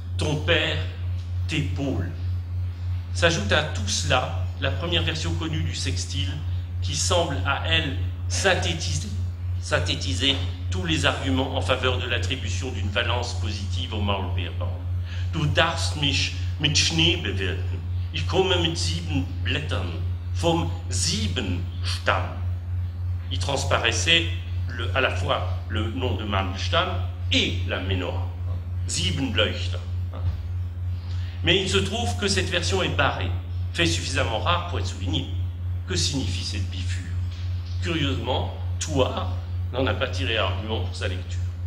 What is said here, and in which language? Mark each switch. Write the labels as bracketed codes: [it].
[fr] Ton père t'épaule. S'ajoute à tout cela la première version connue du sextile qui semble à elle synthétiser tous les arguments en faveur de l'attribution d'une valence positive au Maulbeerbaum. [de] Du darfst mich mit Schnee bewirten. Ich komme mit sieben Blättern vom sieben Stamm. [fr] Il transparaissait à la fois le nom de Mandelstam et la menorah, [de] sieben Leuchter. [fr] Mais il se trouve que cette version est barrée, fait suffisamment rare pour être souligné. Que signifie cette bifure? Curieusement, Thouars n'en a pas tiré argument pour sa lecture.